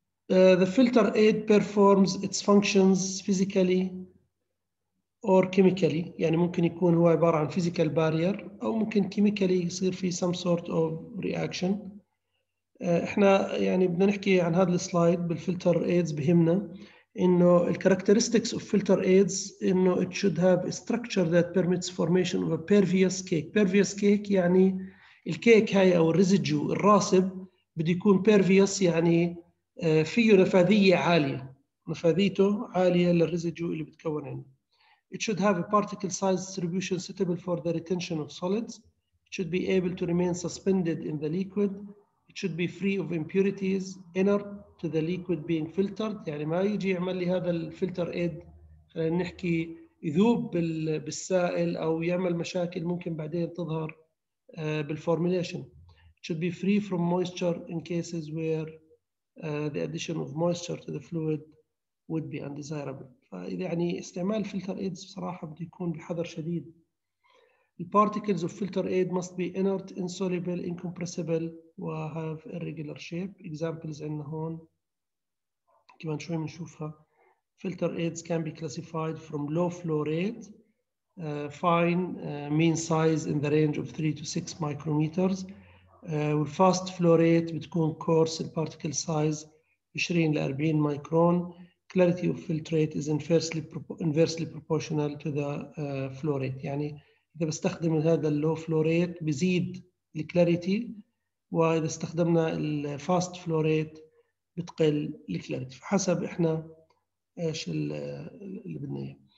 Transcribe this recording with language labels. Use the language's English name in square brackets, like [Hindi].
[English] The filter aid performs its functions physically or chemically. [Arabic] يعني ممكن يكون هو عبارة عن [English] physical barrier [Arabic] أو ممكن chemically يصير في [English] some sort of reaction. [Arabic] إحنا يعني بدنا نحكي عن هذا السلايد بالفلتر ايدز، بهمنا إنه الكاركترستكس [English] of filter aids [Arabic] إنه [English] it should have a structure that permits formation of a pervious cake. [Arabic] Pervious cake يعني الكيك هاي أو الريزيجو الراسب بده يكون pervious، يعني فيه نفاذية عالية، نفاذيته عالية للريزيجو اللي بتكون عنه. [English] It should have a particle size distribution suitable for the retention of solids. It should be able to remain suspended in the liquid. It should be free of impurities inert to the liquid being filtered. [Arabic] يعني ما يجي يعمل لي هذا الفلتر ايد خلينا نحكي يذوب بالسائل أو يعمل مشاكل ممكن بعدين تظهر بالفورميليشن. [English] It should be free from moisture in cases where the addition of moisture to the fluid would be undesirable. [Arabic] فإذا يعني استعمال فلتر ايدز بصراحة بده يكون بحذر شديد. [English] The particles of filter aid must be inert, insoluble, incompressible, و have irregular shape. [Arabic] Examples عندنا هون كمان شوي بنشوفها. [English] Filter aids can be classified from low flow rate, fine, mean size in the range of 3 to 6 micrometers. [Arabic] والفاست فلو ريت بتكون كورس، البارتيكل سايز 20 ل 40 مايكرون. [English] Clarity of filtrate is inversely proportional to the flow rate. [Arabic] يعني اذا بستخدم هذا اللو فلو ريت بزيد الكلاريتي، واذا استخدمنا الفاست فلو ريت بتقل الكلاريتي، فحسب احنا ايش اللي بدنا اياه.